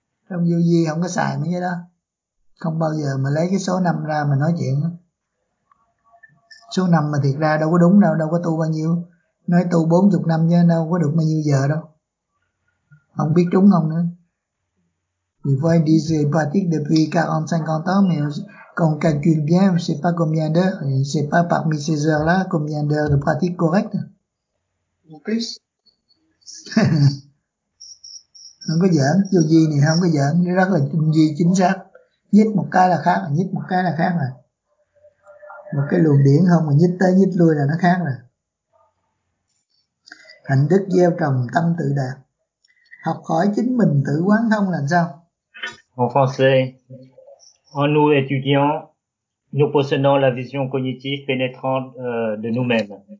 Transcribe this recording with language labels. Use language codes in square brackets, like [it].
[vi] Trong vô vi không có xài mấy cái đó. Không bao giờ mà lấy cái số năm ra mà nói chuyện. Số năm mà thiệt ra đâu có đúng đâu, đâu có tu bao nhiêu. Nói tu 40 năm chứ đâu có được bao nhiêu giờ đâu. Không biết trúng không nữa. Vì vậy, đi dự [fr] pratique depuis 40-50 ans, mais qu'on calcule bien, je ne sais pas combien d'heures, je ne sais pas parmi ces heures-là combien d'heures de pratique correcte. Ou plus. [vi] Không có giỡn, vô gì này không có giỡn, nó rất là tinh vi chính xác. Nhích một cái là khác, nhích một cái là khác rồi. Một cái luồng điển không mà nhích tới nhích lui là nó khác rồi. Hạnh đức gieo trồng tâm tự đạt. Học hỏi chính mình tự quán thông là sao? [fr] En français, en nous étudiant, nous possédons la vision cognitive pénétrante de nous-mêmes.